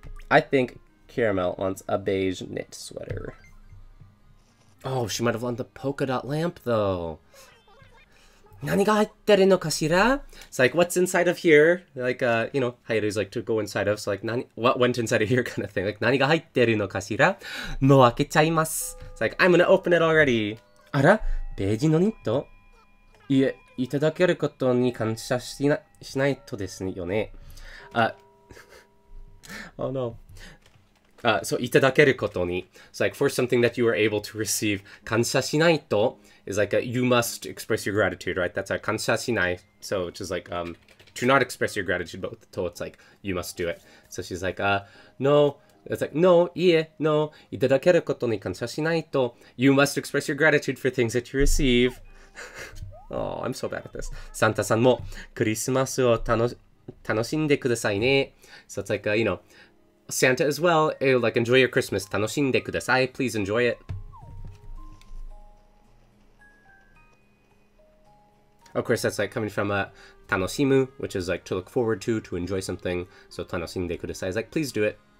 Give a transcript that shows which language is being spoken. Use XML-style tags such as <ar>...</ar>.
<en>I think Caramel wants a beige knit sweater. Oh, she might have won the polka dot lamp, though.</en> <ja>何が入ってるのかしら?</ja> <en>It's like, what's inside of here? Like, you know, Hayaru's like, to go inside of, so like, 何, what went inside of here kind of thing. Like,</en> <ja>何が入ってるのかしら? もう開けちゃいます。</ja> <en>It's like, I'm gonna open it already.</en> <ja>あら、ベージのニット? いえ、いただけることに感謝しないとですよね。</ja> <en>oh, no.</en> <ja>So, いただけることに.</ja> <en>It's like, for something that you are able to receive,</en> <ja>感謝しないと</ja> <en>is like, you must express your gratitude, right? That's a 感謝しない. So, which is like, to not express your gratitude, but with the to, it's like, you must do it. So, she's like, no. It's like, no, いえ, no.</en> <ja>いただけることに感謝しないと.</ja> <en>You must express your gratitude for things that you receive. oh, I'm so bad at this.</en> <ja>サンタさんもクリスマスを楽しんでくださいね.</ja> <en>So, it's like, you know,Santa as well, hey, like enjoy your Christmas. 楽しんでください. Please enjoy it. Of course, that's like coming from a 楽しむ, which is like to look forward to enjoy something. So 楽しんでください is like please do it.</en>